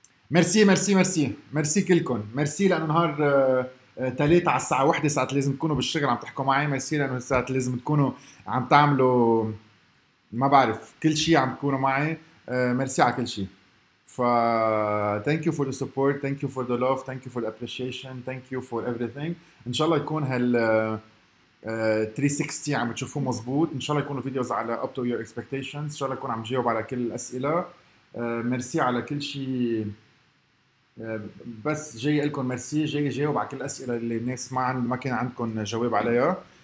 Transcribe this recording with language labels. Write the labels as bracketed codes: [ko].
[ar] مرسي مرسي مرسي مرسي كلكم، مرسي لأنه نهار تلاتة على الساعة 1 ساعة لازم تكونوا بالشغل عم تحكوا معي، مرسي لأنه الساعة لازم تكونوا عم تعملوا ما بعرف كل شيء عم تكونوا معي، مرسي على كل شيء. [en] ف thank you for the support, thank you for the love, thank you for the appreciation, thank you for everything. [ar] إن شاء الله يكون هال 360 عم تشوفوه مزبوط، ان شاء الله يكونوا فيديوز على [en] up to your expectations، [ar] ان شاء الله يكون عم جاوب على كل الأسئلة. مرسي على كل شيء، بس جاي لكم مرسي، جاي جاوب على كل الأسئلة اللي الناس ما كان عندكم جواب عليها.